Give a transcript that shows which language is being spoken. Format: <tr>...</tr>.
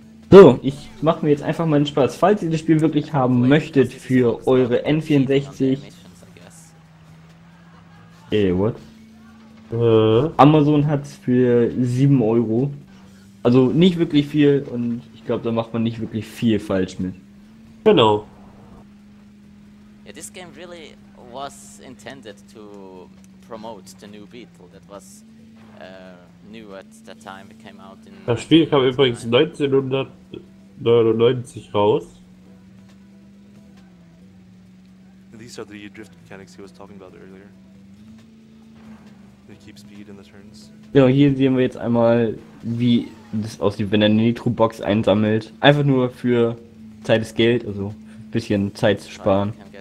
<de>So, ich mache mir jetzt einfach mal den Spaß. Falls ihr das Spiel wirklich haben möchtet für eure N64. Ey, what? Amazon hat's für 7 Euro. Also nicht wirklich viel und ich glaube, da macht man nicht wirklich viel falsch mit. Genau.</de> <en>Yeah, this game really was intended to promote the new Beetle. That was knew at the time it came out in.</en> <de>Das Spiel kam übrigens 1999 raus.</de> <en>These are the drift mechanics he was talking about earlier. They keep speed in the turns.</en> <de>Genau, hier sehen wir jetzt einmal, wie das aussieht, wenn er eine Nitro-Box einsammelt. Einfach nur für Zeit ist Geld, also ein bisschen Zeit zu sparen.</de>